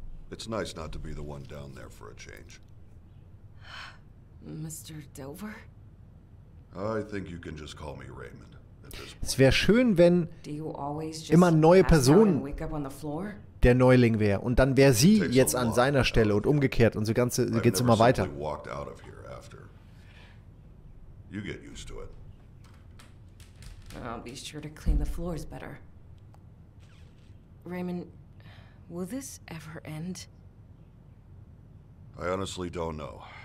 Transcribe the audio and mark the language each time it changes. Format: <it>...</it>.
<en>It's nice not to be the one down there for a change. Mr. Dover? I think you can just call me Raymond.</en> <de>Es wäre schön, wenn immer neue Personen der Neuling wäre. Und dann wäre sie jetzt an seiner Stelle und umgekehrt und so ganze geht es immer weiter.</de> <en>Oh, be sure to clean the floors better. Raymond, will this ever end? I honestly don't know.</en>